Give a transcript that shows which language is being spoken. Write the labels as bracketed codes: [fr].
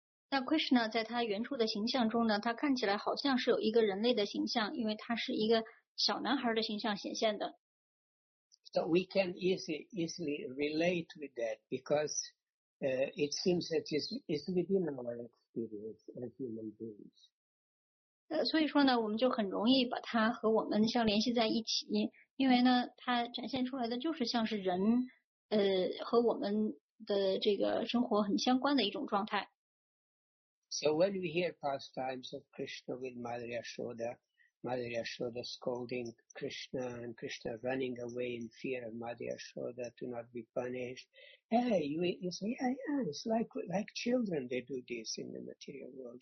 [zh] 那 Krishna 在他原初的形象中呢，他看起来好像是有一个人类的形象，因为他是一个小男孩的形象显现的。 [en] So we can easily relate with that because it seems that it's within our experience as human beings. [zh] 所以说呢，我们就很容易把它和我们相联系在一起。因为呢，它展现出来的就是像是人，和我们的这个生活很相关的一种状态。 [en] So when we hear pastimes of Krishna with Mother Yashoda, Mother Yashoda scolding Krishna and Krishna running away in fear of Mother Yashoda to not be punished, hey, you say, yeah, yeah, it's like children they do this in the material world.